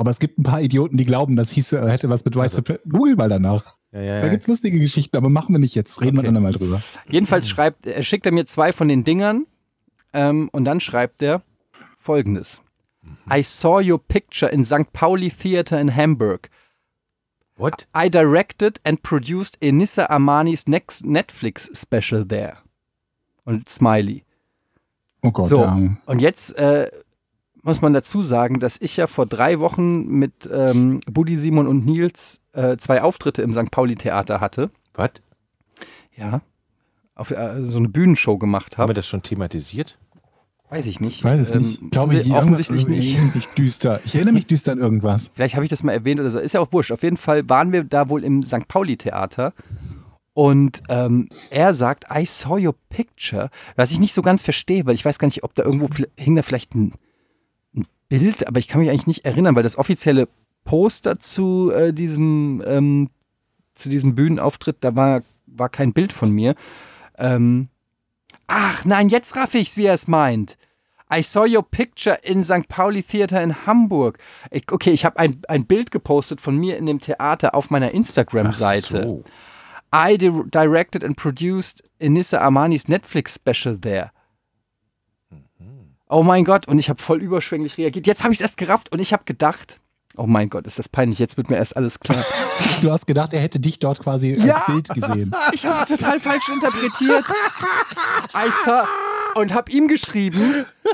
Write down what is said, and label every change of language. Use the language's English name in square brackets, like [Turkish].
[German] Aber es gibt ein paar Idioten, die glauben, das hieße, hätte was mit White Supremacy. Google mal danach. Ja. Da gibt es lustige Geschichten, aber machen wir nicht jetzt. Reden wir andermal drüber. Jedenfalls schickt er mir zwei von den Dingern und dann schreibt er Folgendes: [English] I saw your picture in St. Pauli Theater in Hamburg. What? I directed and produced Enissa Amanis next Netflix special there. [German] Und Smiley. Oh Gott, so, und jetzt muss man dazu sagen, dass ich ja vor 3 Wochen mit Buddy, Simon und Nils 2 Auftritte im St. Pauli Theater hatte. [English] What? [German] Ja, auf so eine Bühnenshow gemacht habe. Haben wir das schon thematisiert? Weiß ich nicht. Weiß es nicht. Glaube ich offensichtlich nicht. Ich erinnere mich düster an irgendwas. Vielleicht habe ich das mal erwähnt oder so. Ist ja auch wurscht. Auf jeden Fall waren wir da wohl im St. Pauli-Theater und er sagt, [English] I saw your picture, [German] was ich nicht so ganz verstehe, weil ich weiß gar nicht, ob da irgendwo hing da vielleicht ein Bild, aber ich kann mich eigentlich nicht erinnern, weil das offizielle Poster zu diesem Bühnenauftritt, da war kein Bild von mir. Ach nein, jetzt raff ich's, wie er es meint. [English] I saw your picture in St. [German] Pauli Theater in Hamburg. Ich habe ein Bild gepostet von mir in dem Theater auf meiner Instagram-Seite. Ach so. [English] I directed and produced Enissa Amanis Netflix-Special there. [German] Mhm. Oh mein Gott, und ich habe voll überschwänglich reagiert. Jetzt habe ich es erst gerafft und ich habe gedacht, oh mein Gott, ist das peinlich, jetzt wird mir erst alles klar. Du hast gedacht, er hätte dich dort quasi als Bild gesehen. Ich habe es total falsch interpretiert. [English] I saw [German] und habe ihm geschrieben.